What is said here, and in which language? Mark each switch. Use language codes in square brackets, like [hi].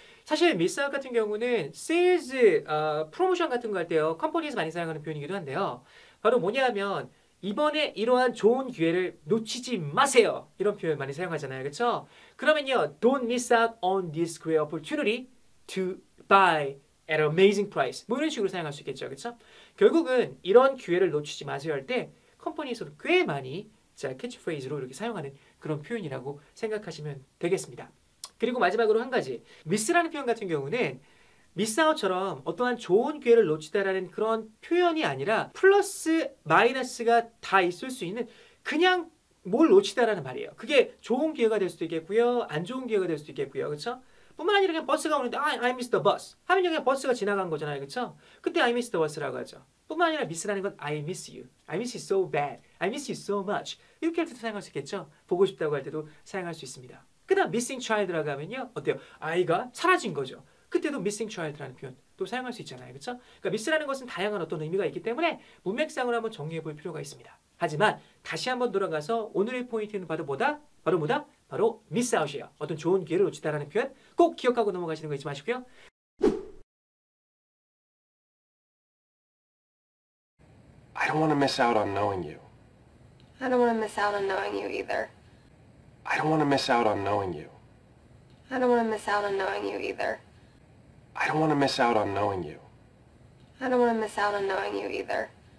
[ko] 사실 미스 아웃 같은 경우는 세일즈 프로모션 같은 거할 때요 컴퍼니에서 많이 사용하는 표현이기도 한데요 바로 뭐냐면 이번에 이러한 좋은 기회를 놓치지 마세요 이런 표현 많이 사용하잖아요 그렇죠? 그러면요 [en] Don't miss out on this great opportunity to buy at an amazing price [ko] 뭐 이런 식으로 사용할 수 있겠죠 그렇죠? 결국은 이런 기회를 놓치지 마세요 할때 컴퍼니에서도 꽤 많이 자 캐치프레이즈로 이렇게 사용하는 그런 표현이라고 생각하시면 되겠습니다. 그리고 마지막으로 한 가지. 미스라는 표현 같은 경우는 미스아웃처럼 어떠한 좋은 기회를 놓치다라는 그런 표현이 아니라 플러스 마이너스가 다 있을 수 있는 그냥 뭘 놓치다라는 말이에요. 그게 좋은 기회가 될 수도 있겠고요. 안 좋은 기회가 될 수도 있겠고요. 그렇죠? 뿐만 아니라 그냥 버스가 오는데 [en] I missed the bus. [ko] 하면 여기 버스가 지나간 거잖아요. 그렇죠? 그때 [en] I missed the bus [ko] 라고 하죠. 뿐만 아니라 미스라는 건 [en] I miss you. I miss you so bad. I miss you so much. [ko] 이렇게 할 때도 사용할 수 있겠죠? 보고 싶다고 할 때도 사용할 수 있습니다. 그다음 missing child라고 하면요 어때요 아이가 사라진 거죠 그때도 missing child라는 표현 또 사용할 수 있잖아요 그렇죠 그러니까 miss라는 것은 다양한 어떤 의미가 있기 때문에 문맥상으로 한번 정리해 볼 필요가 있습니다 하지만 다시 한번 돌아가서 오늘의 포인트는 바로 뭐다 바로 miss out이에요 어떤 좋은 기회를 놓치다라는 표현 꼭 기억하고 넘어가시는 거 잊지 마시고요 [en] I don't want to miss out on knowing you. I don't want to miss out on knowing you either. I don't want to miss out on knowing you. I don't want to miss out on knowing you either. I don't want to miss out on knowing you. I don't want to miss out on knowing you either.